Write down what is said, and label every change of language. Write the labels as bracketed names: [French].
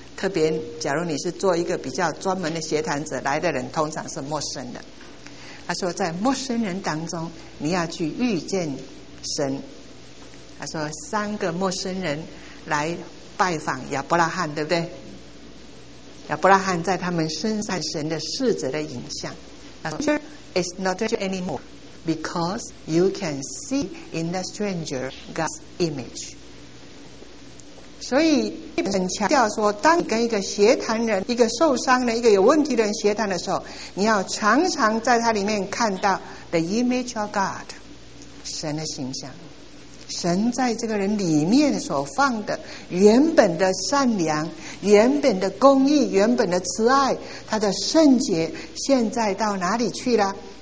[Chinese] 特别假如你是做一个比较专门的协谈者，来的人通常是陌生的。他说在陌生人当中你要去遇见神。他说三个陌生人来拜访亚伯拉罕，对不对？亚伯拉罕在他们身上神的使者的影像。 [English] It's not there anymore because you can see in the stranger God's image。 [Chinese] 所以很强调说，当你跟一个协谈人，一个受伤的，一个有问题的人协谈的时候，你要常常在他里面看到 [English] the image of God， [Chinese] 神的形象，神在这个人里面所放的原本的善良、原本的公义、原本的慈爱，他的圣洁现在到哪里去了？